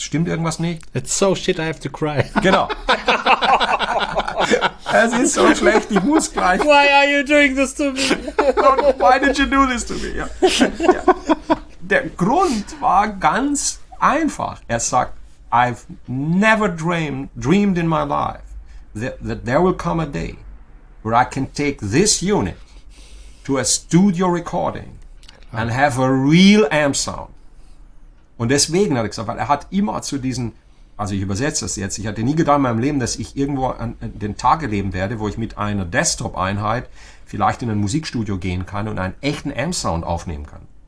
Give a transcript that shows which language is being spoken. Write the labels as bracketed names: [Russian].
[German] Stimmt irgendwas nicht? [English] It's so shit, I have to cry. [German] Genau. Es ist so schlecht, ich muss gleich. [English] Why are you doing this to me? Why did you do this to me? Ja. [German] Der Grund war ganz einfach. Er sagt, [English] I've never dreamed in my life that there will come a day where I can take this unit to a studio recording and have a real amp sound. [German] Und deswegen hat er gesagt, weil er hat immer zu diesen, also ich übersetze das jetzt, ich hatte nie gedacht in meinem Leben, dass ich irgendwo an den Tag erleben werde, wo ich mit einer Desktop-Einheit vielleicht in ein Musikstudio gehen kann und einen echten amp sound aufnehmen kann.